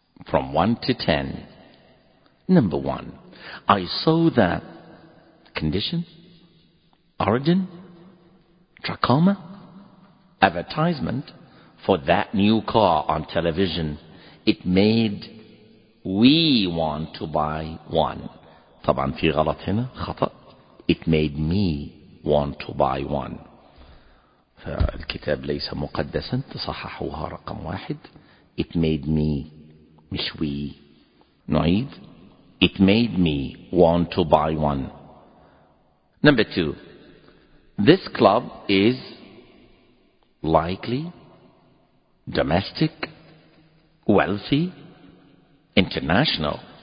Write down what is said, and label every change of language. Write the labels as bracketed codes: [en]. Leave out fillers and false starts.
[en] From 1 to 10. Number 1. I saw that. Condition? Origin? Trachoma? Advertisement for that new car on television. It made we want to buy one. [ar] طبعا في غلط هنا خطأ. [en] It made me want to buy one. [ar] فالكتاب ليس مقدسا تصححوها رقم واحد. [en] It made me, مش we. [ar] نعيد. [en] It made me want to buy one. Number 2. This club is likely domestic, wealthy, international.